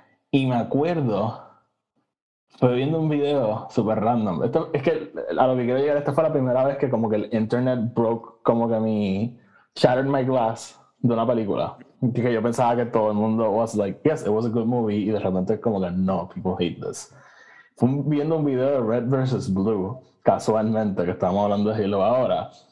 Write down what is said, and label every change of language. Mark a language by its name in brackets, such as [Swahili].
[Spanish] Y me acuerdo, estoy viendo un video súper random. Esto, es que a lo que quiero llegar, esta fue la primera vez que como que el internet broke, como que mi, [English] shattered my glass [Spanish] de una película. Que yo pensaba que todo el mundo [English] was like, yes, it was a good movie. [Spanish] Y de repente como que, no, [English] people hate this. [Spanish] Fue viendo un video de Red vs. Blue, casualmente, que estamos hablando de Halo ahora.